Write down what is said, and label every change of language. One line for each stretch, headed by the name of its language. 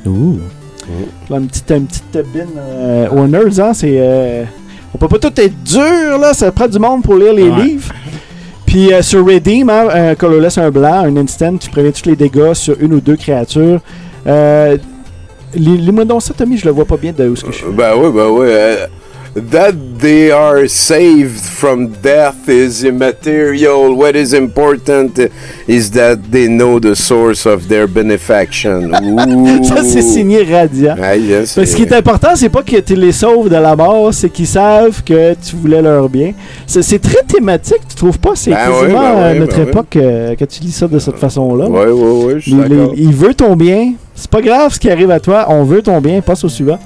French: Là, une petite bin aux nerds, hein, c'est on peut pas tout être dur, là, ça prend du monde pour lire les livres. Puis sur Redeem, hein, quand on laisse un blanc, un instant, tu préviens tous les dégâts sur une ou deux créatures. Lis-moi donc ça, Tommy, je le vois pas bien de où est-ce que je suis. Ben oui.
English: That they are saved from death is immaterial. What is important is that they know the source of their benefaction.
French: Ça, c'est signé Radiant.
English: Ah, yes,
French: ce qui est important, c'est pas que tu les sauves de la mort, c'est qu'ils savent que tu voulais leur bien. C'est très thématique, tu trouves pas? C'est quasiment notre époque que tu lis ça de cette façon-là. Oui, je suis d'accord. Il veut ton bien. C'est pas grave ce qui arrive à toi, on veut ton bien, passe au suivant.